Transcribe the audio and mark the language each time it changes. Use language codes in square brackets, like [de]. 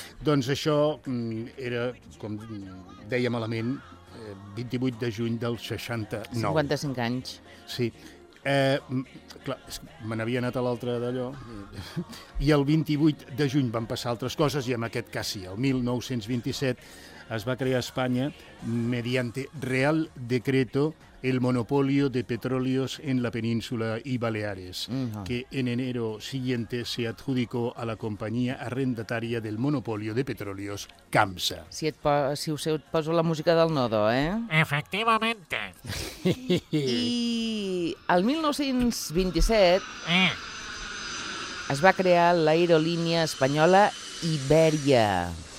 [ca] Doncs això era, com deia malament, 28 de juny del 69. 55 anys. Sí. Clar, me n'havia anat a l'altre d'allò. I el 28 de juny van passar altres coses, i en aquest cas sí, el 1927... es va crear a Espanya [es] mediante Real Decreto el Monopolio de Petróleos en la Península y Baleares, que en enero siguiente se adjudicó a la compañía arrendataria del Monopolio de Petróleos, CAMSA. [ca] Si, et poso la música del nodo, eh? [es] Efectivamente. [ca] I el 1927 es va crear l'aerolínia espanyola Iberia.